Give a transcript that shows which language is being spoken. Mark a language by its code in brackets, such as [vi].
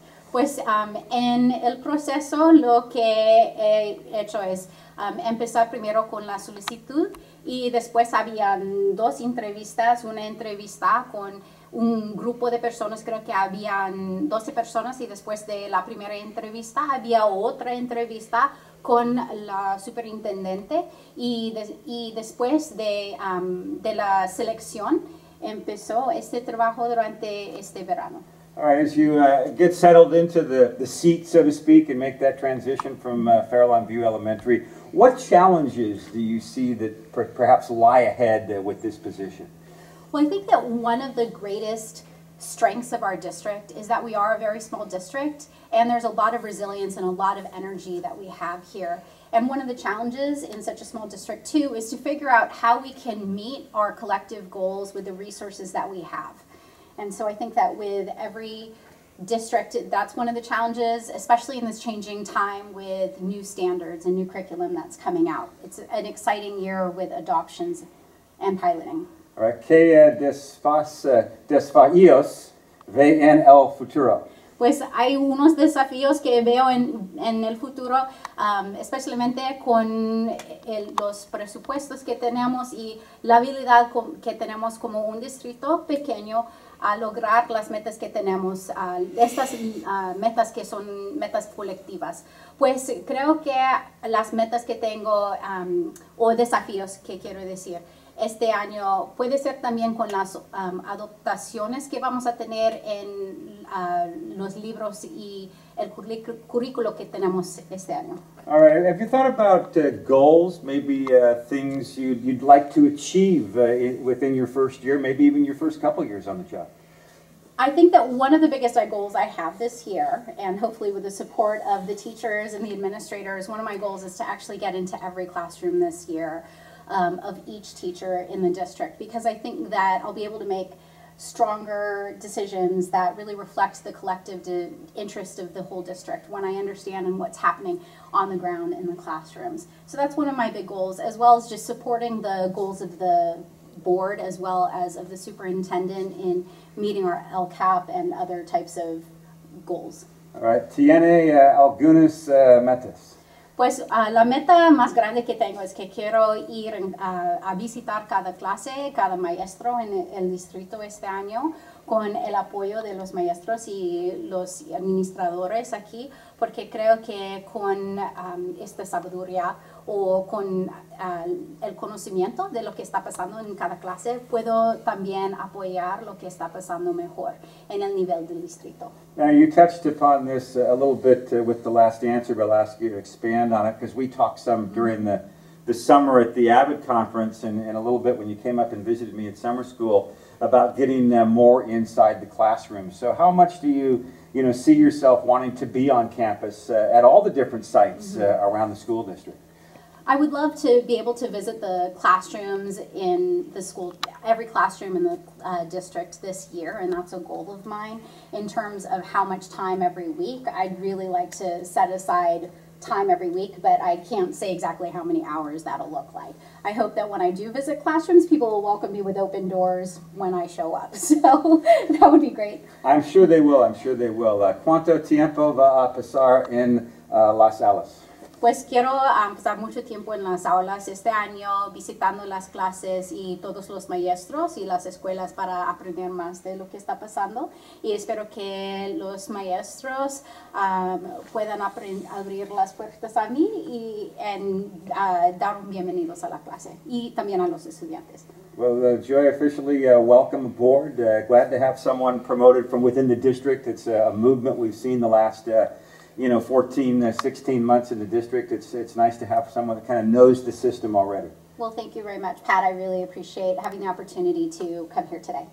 [es] Pues en el proceso lo que he hecho es empezar primero con la solicitud y después habían dos entrevistas, una entrevista con un grupo de personas, creo que habían 12 personas, y después de la primera entrevista había otra entrevista con la superintendente y después de la selección empezó este trabajo durante este verano. [en] All right, as you get settled into the seat, so to speak, and make that transition from Fairlawn View Elementary, what challenges do you see that perhaps lie ahead with this position? Well, I think that one of the greatest strengths of our district is that we are a very small district, and there's a lot of resilience and a lot of energy that we have here. And one of the challenges in such a small district, too, is to figure out how we can meet our collective goals with the resources that we have. And so I think that with every district, that's one of the challenges, especially in this changing time with new standards and new curriculum that's coming out. It's an exciting year with adoptions and piloting. All right, [es] ¿qué desafíos ve en el futuro? Pues hay unos desafíos que veo en el futuro, especialmente con los presupuestos que tenemos y la habilidad que tenemos como un distrito pequeño a lograr las metas que tenemos, estas metas que son metas colectivas. Pues creo que las metas que tengo, o desafíos que quiero decir, este año puede ser también con las adaptaciones que vamos a tener en los libros y el currículo que tenemos este año. [en] All right, have you thought about goals, maybe things you'd like to achieve within your first year, maybe even your first couple years on the job? I think that one of the biggest goals I have this year, and hopefully with the support of the teachers and the administrators, one of my goals is to actually get into every classroom this year of each teacher in the district, because I think that I'll be able to make stronger decisions that really reflect the collective interest of the whole district when I understand what's happening on the ground in the classrooms. So that's one of my big goals, as well as just supporting the goals of the board as well as of the superintendent in meeting our LCAP and other types of goals. All right, [es] ¿tiene algunas metas? Pues la meta más grande que tengo es que quiero ir a visitar cada clase, cada maestro en el distrito este año, con el apoyo de los maestros y los administradores aquí, porque creo que con esta sabiduría o con el conocimiento de lo que está pasando en cada clase, puedo también apoyar lo que está pasando mejor en el nivel del distrito. [en] Now, you touched upon this a little bit with the last answer, but I'll ask you to expand on it, because we talked some during the summer at the Abbott Conference, and a little bit when you came up and visited me at summer school, about getting more inside the classroom. So how much do you, you know, see yourself wanting to be on campus at all the different sites around the school district? I would love to be able to visit the classrooms in the school, every classroom in the district this year, and that's a goal of mine. In terms of how much time every week, I'd really like to set aside time every week, but I can't say exactly how many hours that'll look like. I hope that when I do visit classrooms, people will welcome me with open doors when I show up. So that would be great. I'm sure they will. I'm sure they will. [es] ¿Cuánto tiempo va a pasar en Las Alas? Pues quiero pasar mucho tiempo en las aulas este año, visitando las clases y todos los maestros y las escuelas para aprender más de lo que está pasando. Y espero que los maestros puedan abrir las puertas a mí y dar un bienvenidos a la clase y también a los estudiantes. [en] Well, Joy, officially welcome aboard. Glad to have someone promoted from within the district. It's a movement we've seen the last 16 months in the district. It's nice to have someone that kind of knows the system already. Well, thank you very much, Pat. I really appreciate having the opportunity to come here today.